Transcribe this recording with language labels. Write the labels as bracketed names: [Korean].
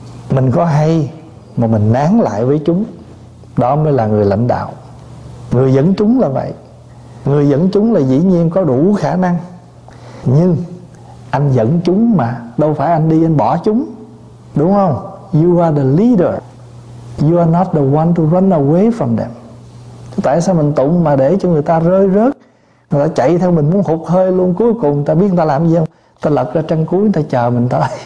[Vietnamese] Mình có hay mà mình nán lại với chúng, đó mới là người lãnh đạo. Người dẫn chúng là vậy. Người dẫn chúng là dĩ nhiên có đủ khả năng, nhưng anh dẫn chúng mà, đâu phải anh đi anh bỏ chúng, đúng không? [English] You are the leader, you are not the one to run away from them. [Vietnamese] Tại sao mình tụng mà để cho người ta rơi rớt, người ta chạy theo mình muốn hụt hơi luôn. Cuối cùng người ta biết người ta làm gì không? Ta lật ra trang cuối, người ta chờ mình tới.